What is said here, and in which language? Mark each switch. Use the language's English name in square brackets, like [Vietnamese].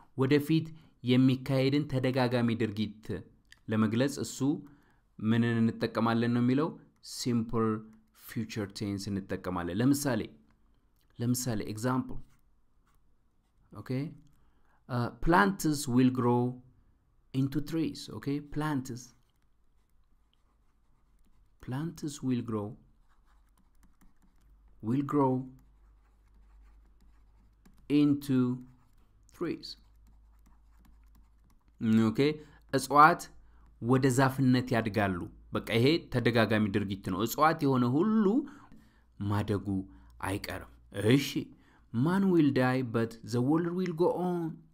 [Amharic] ወደፊት የሚካሄድን ተደጋጋሚ ድርጊት ለመግለጽ እሱ ምንን እንጠቀማለን ነው የሚለው simple future tense እንጠቀማለን። ለምሳሌ example. [English] Okay, plants will grow into trees. Okay, plants will grow into trees. [Amharic] Okay, እጽዋት ወደ ዛፍነት ያድጋሉ። በቃ ይሄ ተደጋጋሚ ድርጊት ነው። እጽዋት የሆነ ሁሉ ማደጉ አይቀርም። እሺ, [English] man will die but the world will go on.